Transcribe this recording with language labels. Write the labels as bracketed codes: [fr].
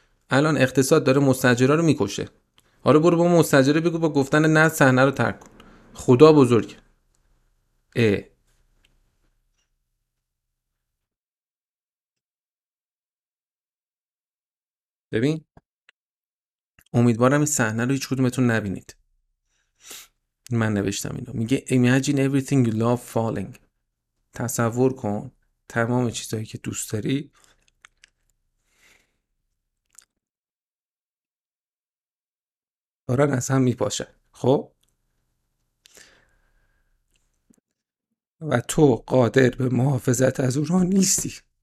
[fa] الان اقتصاد داره مستاجرا رو میکشه. آره برو با مستاجره بگو با گفتن نه صحنه رو ترک کن. خدا بزرگ. ببین امیدوارم این صحنه رو هیچ کدومتون نبینید. من نوشتم اینو. میگه [en] imagine everything you love falling. [fa] تصور کن تمام چیزهایی که دوست داری دارن از هم میپاشه. خب و تو قادر به محافظت از اونها نیستی.